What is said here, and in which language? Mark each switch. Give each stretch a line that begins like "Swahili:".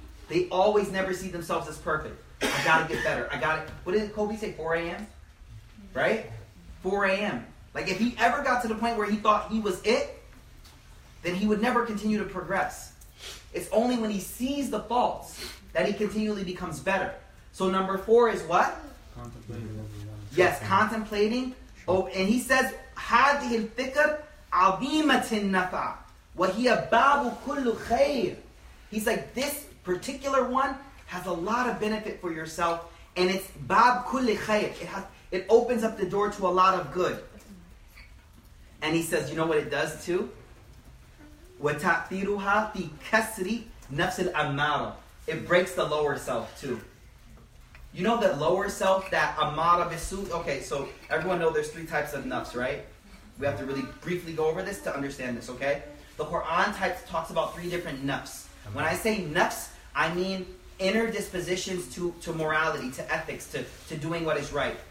English: They always never see themselves as perfect. I gotta get better. I gotta... What did Kobe say? 4 a.m.? Right? 4 a.m. Like, if he ever got to the point where he thought he was it, then he would never continue to progress. It's only when he sees the faults that he continually becomes better. So number four is what? Contemplating. Sure.
Arabic: Oh, and he says, هذه الفكر عظيمة النفع وهي باب كل خير.
English: He's like, this particular one has a lot of benefit for yourself, and it's باب كل خير. It opens up the door to a lot of good. And he says, you know what it does too? وتأثيرها في كسر نفس الأمارة. It breaks the lower self too. You know the lower self, that amara bisut? Okay, so everyone know there's three types of nafs, right? We have to really briefly go over this to understand this, okay? The Quran talks about three different nafs. When I say nafs, I mean inner dispositions to morality, to ethics, to doing what is right.